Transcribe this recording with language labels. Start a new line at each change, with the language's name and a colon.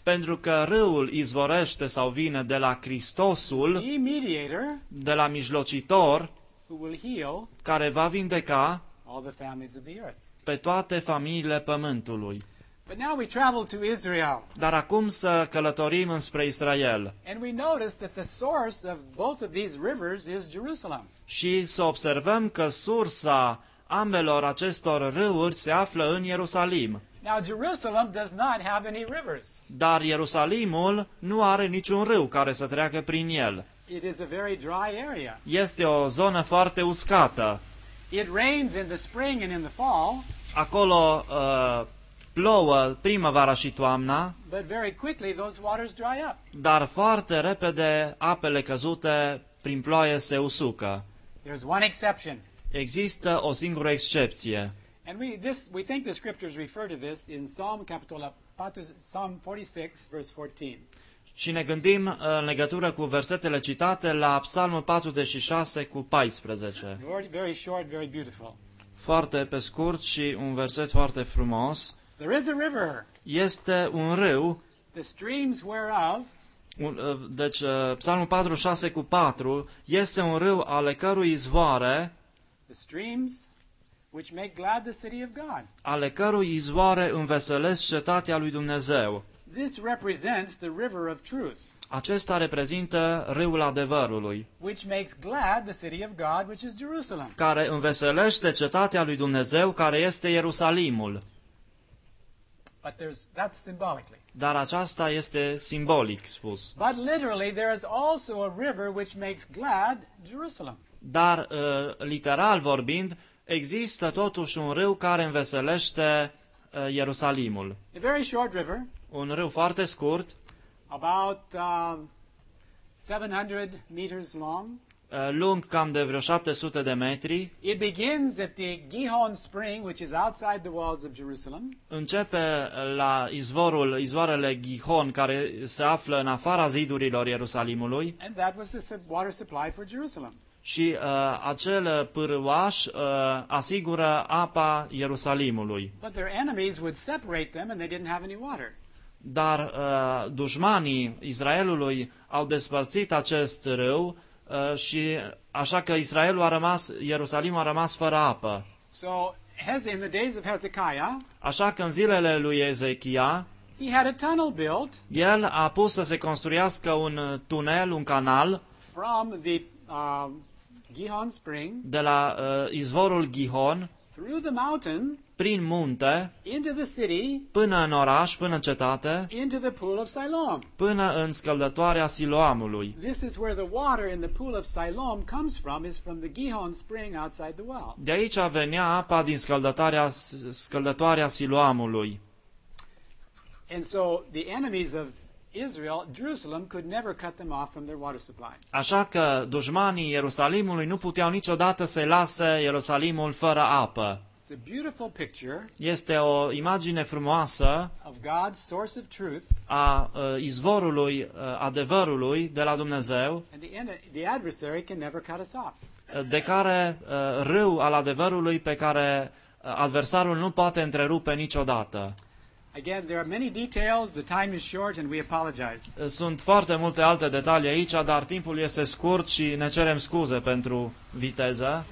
Romanian: pentru că râul izvorește sau vine de la Hristosul,
English: the mediator,
Romanian: de la mijlocitor,
English: who will heal,
Romanian: care va vindeca
English: all the families of the earth.
Romanian: Pe toate familiile pământului.
English: But now we travel to Israel.
Romanian: Dar acum să călătorim înspre Israel.
English: And we notice that the source of both of these rivers is Jerusalem.
Romanian: Și să observăm că sursa ambelor acestor râuri se află în Ierusalim.
English: Now Jerusalem does not have any rivers.
Romanian: Dar Ierusalimul nu are niciun râu care să treacă prin el.
English: It is a very dry area.
Romanian: Este o zonă foarte uscată.
English: It rains in the spring and in the fall.
Romanian: Acolo plouă primăvara și toamna,
English: but very quickly those waters dry up.
Romanian: Dar foarte repede apele căzute prin ploaie se usucă.
English: There's one exception.
Romanian: Există o singură excepție.
English: And we think the scriptures refer to this in Psalm 46, verse 14.
Romanian: Și ne gândim în legătură cu versetele citate la Psalmul 46 cu 14.
English: Very short, very beautiful.
Romanian: Foarte pe scurt și un verset foarte frumos.
English: There is a river.
Romanian: Este un râu.
English: The streams whereof.
Romanian: Deci Psalmul 46 cu 4 este un râu ale cărui izvoare.
English: The streams which make glad the city of God.
Romanian: Ale cărui izvoare înveselesc cetatea lui Dumnezeu.
English: This represents the river of truth.
Romanian: Acesta reprezintă râul adevărului.
English: Which makes glad the city of God, which is Jerusalem.
Romanian: Care înveselește cetatea lui Dumnezeu, care este Ierusalimul.
English: But that's symbolically.
Romanian: Dar aceasta este simbolic spus.
English: But literally there is also a river which makes glad Jerusalem.
Romanian: Dar literal vorbind, există totuși un râu care înveselește Ierusalimul.
English: A very short river.
Romanian: Un râu foarte scurt.
English: About 700 meters long.
Romanian: Lung cam de vreo 700 de metri.
English: It begins at the Gihon Spring, which is outside the walls of Jerusalem.
Romanian: Începe la izvoarele Gihon, care se află în afara zidurilor Ierusalimului.
English: And that was the water supply for Jerusalem.
Romanian: Și acel pârâuaș asigură apa Ierusalimului.
English: But their enemies would separate them and they didn't have any water.
Romanian: Dar dușmanii Israelului au despărțit acest râu. Și așa că Ierusalimul a rămas fără apă.
English: So, in the days of Hezekiah,
Romanian: așa că în zilele lui Ezechia,
English: he had a tunnel built,
Romanian: el a pus să se construiască un tunel, un canal,
English: from the, Gihon Spring,
Romanian: de la izvorul Gihon,
English: through the mountain,
Romanian: prin munte,
English: into the city,
Romanian: până în oraș, până în cetate,
English: into the pool of Siloam.
Romanian: Până în scăldătoarea Siloamului.
English: This is where the water in the pool of Siloam comes from, is from the Gihon spring outside the well.
Romanian: De aici venea apa din scăldătoarea Siloamului.
English: And so the enemies of Israel, Jerusalem could never cut them off from their water supply.
Romanian: Așa că dușmanii Ierusalimului nu puteau niciodată să-i lase Ierusalimul fără apă.
English: It's a beautiful picture.
Romanian: Este o imagine frumoasă.
English: Of God's source of truth.
Romanian: A izvorului adevărului de la Dumnezeu.
English: And the adversary can never cut us off.
Romanian: De care râu al adevărului pe care adversarul nu poate întrerupe niciodată.
English: Again, there are many details. The time is short, and we apologize.
Romanian: Sunt foarte multe alte detalii aici, dar timpul este scurt și ne cerem scuze pentru viteză.